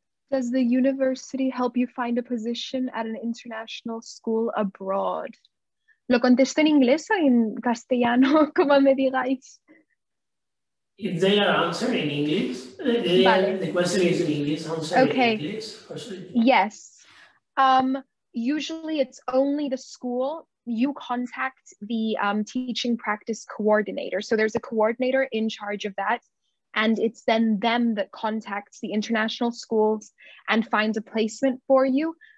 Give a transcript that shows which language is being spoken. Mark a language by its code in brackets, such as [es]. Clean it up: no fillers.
[en] Does the university help you find a position at an international school abroad? [es] ¿Lo contesto en inglés o en castellano, como me digáis? [en] If they are answering in English, the question is in English, answer okay. In English. Yes. Usually it's only the school. You contact the teaching practice coordinator. So there's a coordinator in charge of that. And it's then them that contacts the international schools and finds a placement for you.